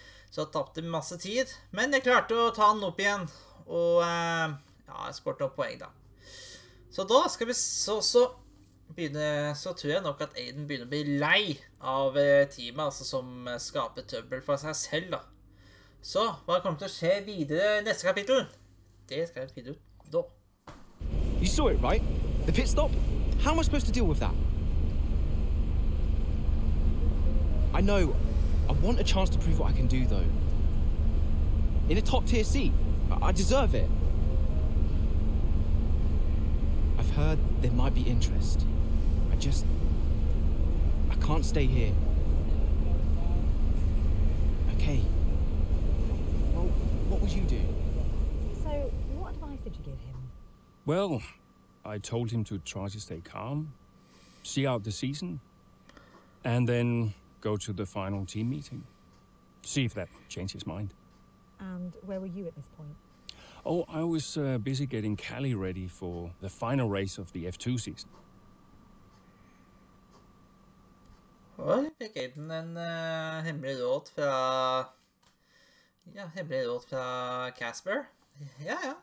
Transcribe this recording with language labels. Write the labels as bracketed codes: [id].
[no] Så tappte vi masse tid, men jeg klarte å ta den opp igjen, og ja, jeg skårte opp poeng da. Så da skal vi så begynner, så tror jeg nok at Aiden begynner å bli lei av teamet, altså som skaper trøbbel for seg selv, da. Så, hva kommer til å skje videre I neste kapittel? Det skal jeg finne ut da. [en] You saw it, right? The pit stop? How am I supposed to deal with that? I know. I want a chance to prove what I can do, though. In a top-tier seat. I deserve it. I've heard there might be interest. I can't stay here. Okay. Well, what would you do? So, what advice did you give him? Well, I told him to try to stay calm, see out the season, and then go to the final team meeting. See if that changed his mind. And where were you at this point? Oh, I was busy getting Cali ready for the final race of the F2 season. [no] Oi, fikk Aiden en hemmelig råd fra Casper. Ja.